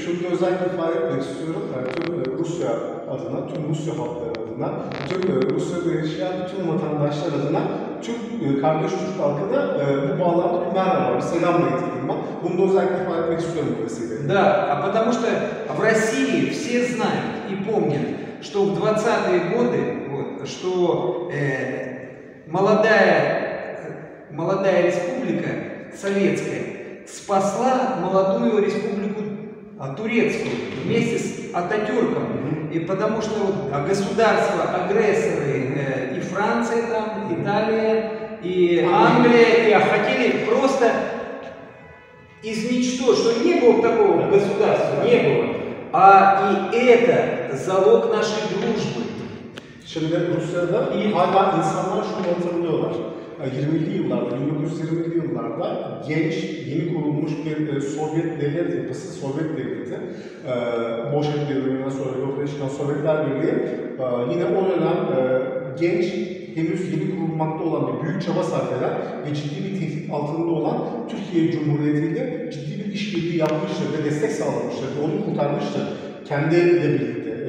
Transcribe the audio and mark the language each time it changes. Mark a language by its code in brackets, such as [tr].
[tr] Şunu özellikle ifade etmek istiyorum. Tüm Rusya adına, tüm Rusya halkı adına, tüm Rusya yaşayan tüm vatandaşlar adına, tüm kardeş Türk halkı da bu bağlamda bir merhaba, bir selamla getirdim ben. Bunu da özellikle ifade etmek istiyorum bu vesileyle. [ru] Да, а потому что в России все знают и помнят, что в 20-е годы, что молодая республика советская спасла молодую республику турецкую вместе с Ататюрком. И потому что государства, агрессоры, и Франция там, Италия, и Англия, хотели просто изничтожить, что не было такого государства, не было. А и это залог нашей дружбы. [tr] Şimdi Rusya'da hala insanlar şunu hatırlıyorlar. 20'li yıllarda, 1920'li yıllarda genç, yeni kurulmuş bir Sovyet devlet yapısı, Sovyet devleti, Bolşevik devriminden sonra yok edilen Sovyetler Birliği, yine o dönem genç, henüz yeni kurulmakta olan bir büyük çaba sarf eden ve ciddi bir tehdit altında olan Türkiye Cumhuriyeti ile ciddi bir işbirliği yapmıştır ve destek sağlamıştır, onu kurtarmıştır kendi eliyle birlikte.